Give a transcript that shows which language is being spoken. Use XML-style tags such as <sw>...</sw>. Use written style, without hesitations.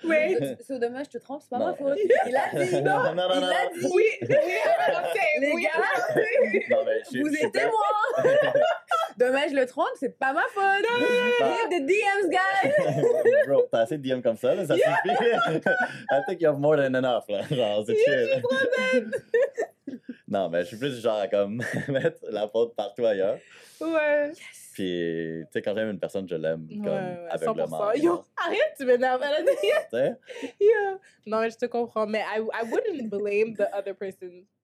<fr>Wait, c'est dommage, je te trompe, c'est pas ma faute. Il a dit non! Non. Oui! Les gars! Vous êtes moi! Dommage, je le trompe, c'est pas ma faute!</fr> <en>Give the DMs, guys!</en> <fr>Bro, t'as assez de DMs comme ça, là, ça suffit.</fr> <en>I think you have more than enough, là.</en> <fr>Genre, c'est chill. J'ai problème! Non, mais je suis plus genre à comme mettre la faute partout ailleurs. Ouais.</fr> <en>Yes.</en> <fr>Puis, tu sais, quand j'aime une personne, je l'aime, comme, aveuglement. Ouais, 100%. Yo, arrête, tu m'énerves, Alain. Tu sais?</fr> <en>Yeah.</en> <fr>Non, mais je te comprends, mais</fr> <en>I wouldn't blame the other person.</en>